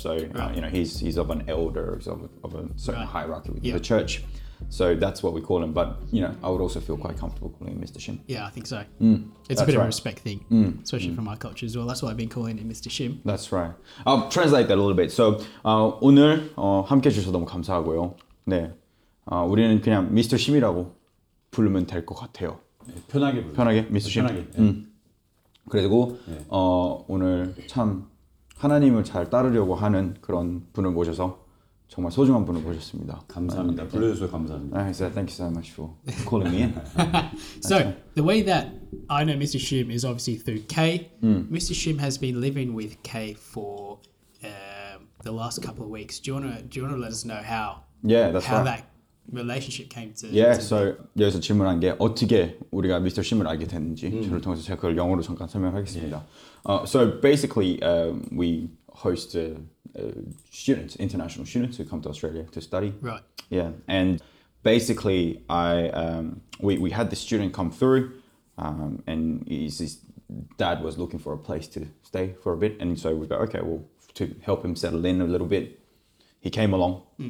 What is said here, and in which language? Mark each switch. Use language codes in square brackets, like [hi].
[en] So, he's of an elder, he's of a certain hierarchy within the church. So that's what we call him. But, I would also feel quite comfortable calling him Mr. Shim. Yeah, I think so. Mm, it's a bit of a respect thing, especially from our culture as well. That's why I've been calling him Mr. Shim. That's right. I'll translate that a little bit. [ko] So 오늘 함께 주셔서 너무 감사하고요. 네, 우리는 그냥 Mr. Shim이라고 부르면 될 것 같아요. 네, 편하게 불러요. 편하게? 미스 쉼? 편하게. 그리고 오늘 참 하나님을 잘 따르려고 하는 그런 분을 모셔서 정말 소중한 분을 모셨습니다. 감사합니다. 불러주셔서 감사합니다. [en] I said thank you so much for calling me in. So, the way that I know Mr. Shim is obviously through Kay. Mr. Shim has been living with Kay for the last couple of weeks. Do you want to let us know how? Yeah, that's how right. That relationship came to [ko] so 여기서 질문한 게 어떻게 우리가 미스터 심을 알게 됐는지 저를 통해서 제가 그걸 영어로 잠깐 설명하겠습니다. [en] So basically we host students, international students who come to Australia to study. Right. Yeah. And basically we had this student come through and his dad was looking for a place to stay for a bit, and so we go, okay, well, to help him settle in a little bit, he came along.